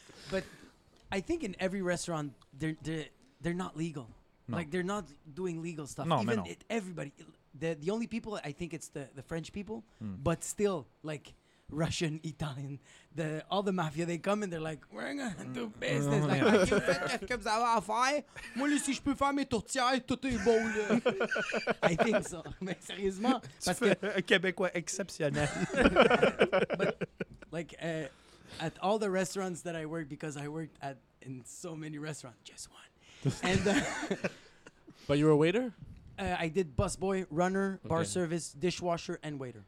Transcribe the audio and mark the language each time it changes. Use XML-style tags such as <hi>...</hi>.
<en>But I think in every restaurant they're not legal. No. Like they're not doing legal stuff. No, even no. Everybody. The only people I think it's the French people. Mm. But still, like Russian, Italian, all the mafia, they come and they're like, we're gonna do business. Like, you think you have to faire?</en> <fr>Moi, si je peux faire mes tortillas, tout est bon.</fr> <en>I think so.</en> <fr>Mais sérieusement, parce que un Québécois exceptionnel.</fr> <en>But like at all the restaurants that I worked, because I worked at in so many restaurants, just one. And but you were a waiter. I did busboy, runner, bar service, dishwasher, and waiter.</en>